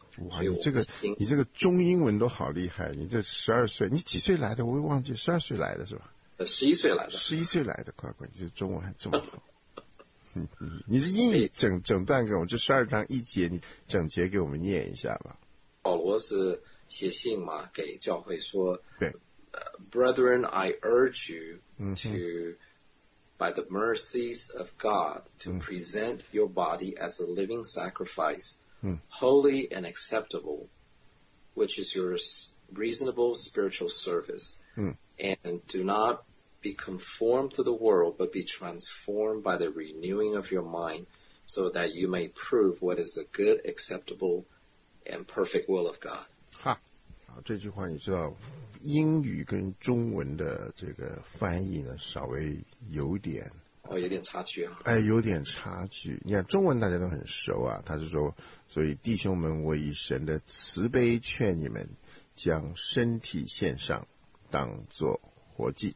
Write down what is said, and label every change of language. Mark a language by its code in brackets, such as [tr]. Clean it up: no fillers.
[zh] 哇，你这个中英文都好厉害，你这十二岁，你几岁来的？我忘记，十二岁来的是吧？十一岁来的。十一岁来的，乖乖，你这中文还这么好。你是英语整段给我们这十二章一节，你整节给我们念一下吧。保罗是写信嘛，给教会说，对。 [en] Brethren, I urge you to, by the mercies of God, to present your body as a living sacrifice, holy and acceptable, which is your reasonable spiritual service. And do not be conformed to the world, but be transformed by the renewing of your mind, so that you may prove what is the good, acceptable, and perfect will of God. [zh] 好，这句话你知道。英语跟中文的这个翻译呢，稍微有点哦，有点差距啊。哎，有点差距。你看中文大家都很熟啊，他是说，所以弟兄们，我以神的慈悲劝你们，将身体献上，当作活祭。